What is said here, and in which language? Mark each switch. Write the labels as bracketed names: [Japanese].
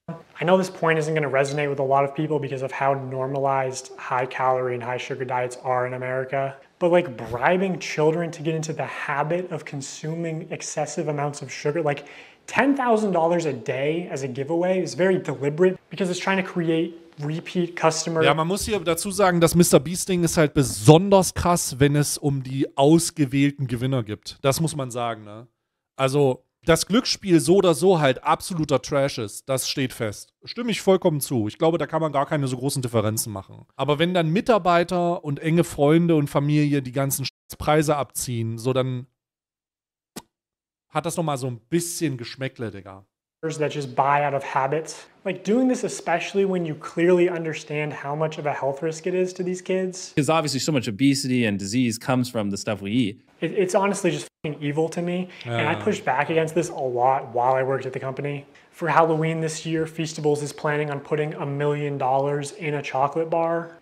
[English] I know this point isn't going to resonate with a lot of people because of how normalized high-calorie and high-sugar diets are in America. But, like, bribing children to get into the habit of consuming excessive amounts of sugar, like, $10,000 a day as a giveaway is very deliberate because it's trying to create Repeat Customer. [German] Ja, man muss hier dazu sagen, das Mr. Beast-Ding ist halt besonders krass, wenn es um die ausgewählten Gewinner gibt. Das muss man sagen, ne? Also, das Glücksspiel so oder so halt absoluter Trash ist, das steht fest. Stimme ich vollkommen zu. Ich glaube, da kann man gar keine so großen Differenzen machen. Aber wenn dann Mitarbeiter und enge Freunde und Familie die ganzen Preise abziehen, so dann hat das nochmal so ein bisschen Geschmäckle, Digga. [English] That just buy out of habits. Like doing this, especially when you clearly understand how much of a health risk it is to these kids. Because obviously, so much obesity and disease comes from the stuff we eat. It's honestly just fucking evil to me. Yeah. And I pushed back against this a lot while I worked at the company. For Halloween this year, Feastables is planning on putting $1 million in a chocolate bar.